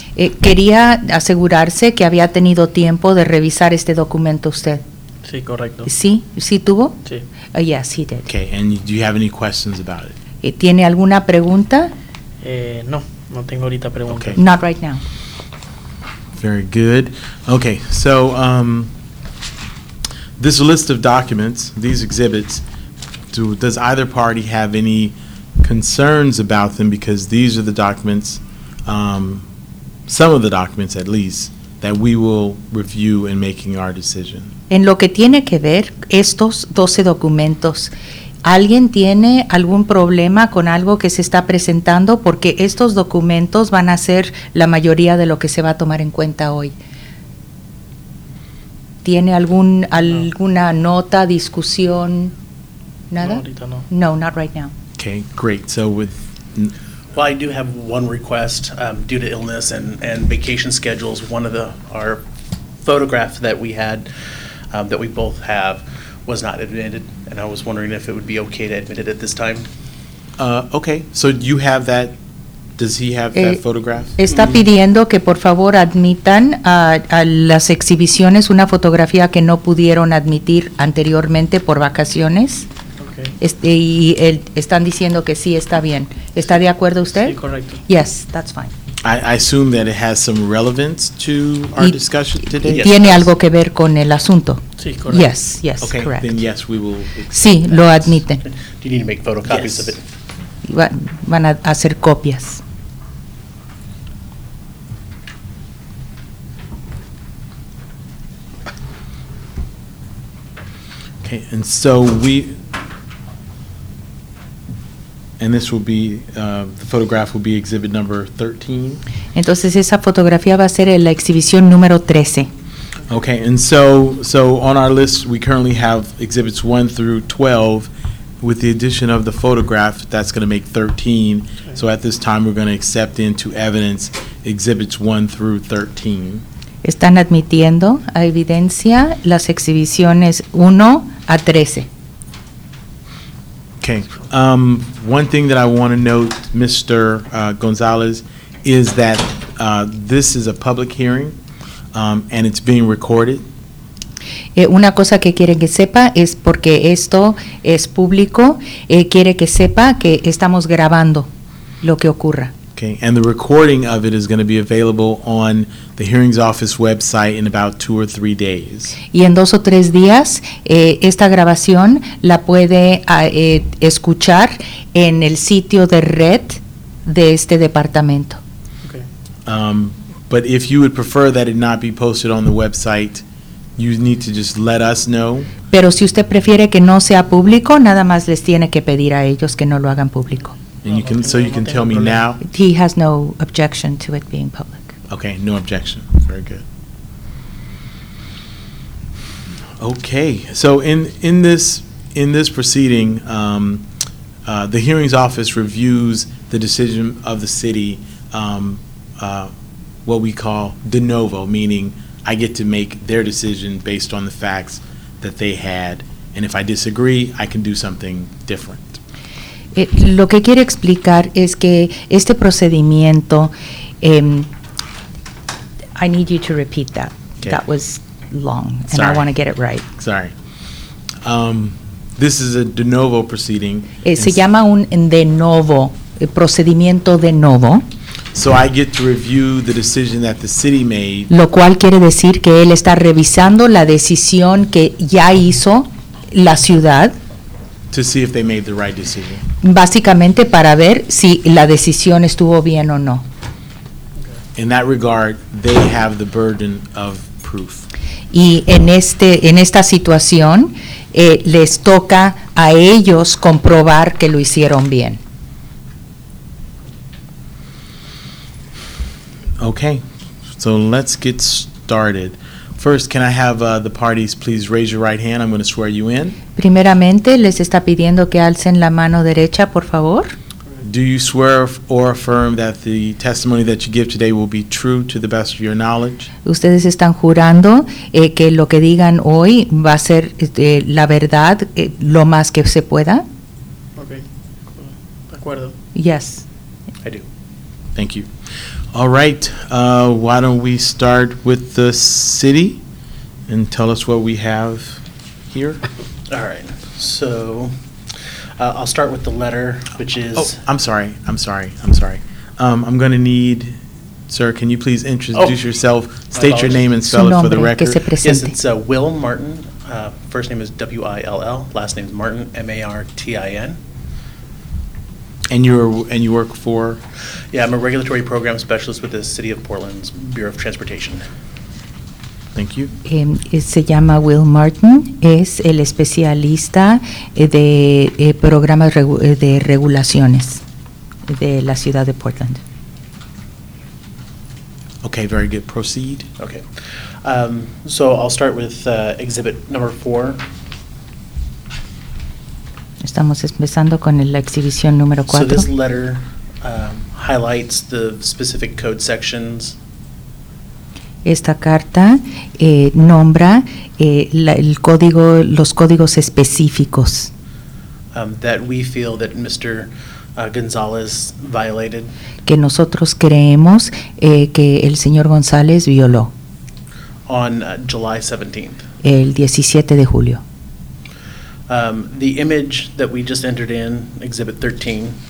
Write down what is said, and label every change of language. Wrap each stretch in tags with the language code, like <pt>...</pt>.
<es>Quería asegurarse que había tenido tiempo de revisar este documento usted. Sí, correcto. ¿Sí? ¿Sí tuvo? Sí.</es> <en>Yes, he did. Okay, and do you have any questions about it?</en> <es>¿Tiene alguna pregunta? No, no tengo ahorita pregunta. Okay.</es> <en>Not right now. Very good. Okay, so this list of documents, these exhibits, does either party have any concerns about them? Because these are the documents, some of the documents at least, that we will review in making our decision.</en> <es>En lo que tiene que ver estos 12 documentos, ¿alguien tiene algún problema con algo que se está presentando? Porque estos documentos van a ser la mayoría de lo que se va a tomar en cuenta hoy. ¿Tiene alguna nota, discusión, nada? No,</es> <en>no, not right now. Okay, great. So with... Well, I do have one request due to illness and vacation schedules. One of our photographs that we had, that we both have, was not admitted, and I was wondering if it would be okay to admit it at this time. Okay, so you have that. Does he have that photograph?</en> <es>Está pidiendo que por favor admitan a las exhibiciones una fotografía que no pudieron admitir anteriormente por vacaciones.</es> <en>Okay.</en> <es>Y están diciendo que sí, está bien. ¿Está de acuerdo usted? Sí, correcto.</es> <en>Yes, that's fine. I assume that it has some relevance to our discussion today. Yes.</en> <es>Tiene algo que ver con el asunto. Sí,</es> <en>correct. Yes, yes, okay, correct. Then yes, we will.</en> <es>Sí, that. Lo admiten.</es> <en>Do you need to make photocopies yes. of it?</en> <es>Van a hacer copias.</es> <en>Okay, and so we. And this will be, the photograph will be exhibit number 13.</en> <es>Entonces esa fotografía va a ser la exhibición número 13.</es> <en>Okay, and so on our list we currently have exhibits 1 through 12. With the addition of the photograph, that's going to make 13. Okay. So at this time we're going to accept into evidence exhibits 1 through 13.</en> <es>Están admitiendo a evidencia las exhibiciones 1 a 13.</es> <en>Okay. One thing that I want to note, Mr. Gonzalez, is that this is a public hearing, and it's being recorded.</en> <es>Una cosa que quieren que sepa es porque esto es público, quiere que sepa que estamos grabando lo que ocurra.</es> <en>Okay, and the recording of it is going to be available on the hearings office website in about 2 or 3 days.</en> <es>Y en 2 o 3 días, esta grabación la puede escuchar en el sitio de red de este departamento.</es> <en>Okay. But if you would prefer that it not be posted on the website, you need to just let us know.</en> <es>Pero si usted prefiere que no sea público, nada más les tiene que pedir a ellos que no lo hagan público.</es> <en>And you can, so you can tell me now? He has no objection to it being public. Okay, no objection. Very good. Okay, so in this proceeding, the hearings office reviews the decision of the city, what we call de novo, meaning I get to make their decision based on the facts that they had. And if I disagree, I can do something different.</en> <es>Lo que quiere explicar es que este procedimiento,</es> <en>I need you to repeat that. Okay. That was long. Sorry. And I want to get it right. Sorry. This is a de novo proceeding.</en> <es>Se llama un de novo, procedimiento de novo.</es> <en>So I get to review the decision that the city made.</en> <es>Lo cual quiere decir que él está revisando la decisión que ya hizo la ciudad.</es> <en>To see if they made the right decision.</en> <es>Básicamente para ver si la decisión estuvo bien o no.</es> <en>In that regard, they have the burden of proof.</en> <es>Y en esta situación, les toca a ellos comprobar que lo hicieron bien.</es> <en>Okay, so let's get started. First, can I have the parties please raise your right hand? I'm going to swear you in.</en> <es>Primeramente, les está pidiendo que alcen la mano derecha, por favor.</es> <en>Do you swear or affirm that the testimony that you give today will be true to the best of your knowledge?</en> <es>Ustedes están jurando que lo que digan hoy va a ser la verdad lo más que se pueda. Okay. De acuerdo.</es> <en>Yes. I do. Thank you. All right. Why don't we start with the city and tell us what we have here? All right. So I'll start with the letter, which is... I'm sorry. I'm going to need... Sir, can you please introduce yourself, state your name and spell it for the record? Yes, it's Will Martin. First name is W-I-L-L. Last name is Martin, M-A-R-T-I-N. And you work for? Yeah, I'm a regulatory program specialist with the City of Portland's Bureau of Transportation. Thank you.</en> <es>Se llama Will Martin. Es el especialista de programas de regulaciones de la ciudad de Portland.</es> <en>Okay, very good. Proceed. Okay. So I'll start with exhibit number 4.</en> <es>Estamos empezando con la exhibición número 4.</es> <en>So this letter highlights the specific code sections.</en> <es>Esta carta nombra el código, los códigos específicos.</es> <en>That we feel that Mr. Gonzalez violated.</en> <es>Que nosotros creemos que el señor González violó.</es> <en>On July 17th.</en> <es>El 17 de julio.</es> <en>The image that we just entered in, exhibit 13.</en>